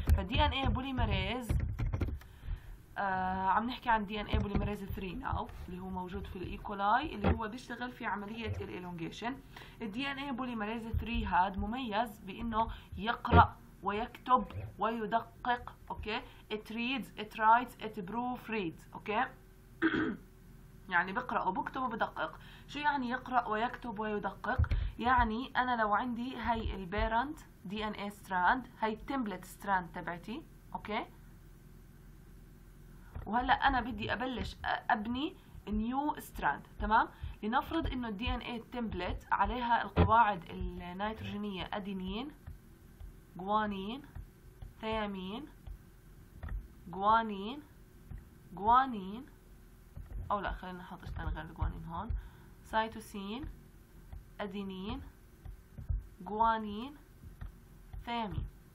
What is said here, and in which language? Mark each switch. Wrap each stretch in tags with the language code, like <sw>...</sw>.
<ar>ف DNA polymerase عم نحكي عن DNA polymerase 3 now اللي هو موجود في الإيكولاي اللي هو بيشتغل في عملية ال elongation. ال DNA polymerase 3 هاد مميز بإنه يقرأ ويكتب ويدقق. أوكي.</ar> <en>It reads, it writes, it proofreads.</en> <ar>أوكي. يعني بقرأ وبكتب وبدقق. شو يعني يقرأ ويكتب ويدقق؟ يعني أنا لو عندي هاي البيرنت دي ان اي ستراند، هاي التمبلت ستراند تبعتي، أوكي؟ وهلا أنا بدي أبلش أبني نيو ستراند، تمام؟ لنفرض إنه الدي ان اي التمبلت عليها القواعد النيتروجينية أدينين، جوانين، ثيامين، جوانين، جوانين، أو لا خلينا نحط اشتان غير الجوانين هون، سايتوسين، أدينين، جوانين، ثيامين.</ar>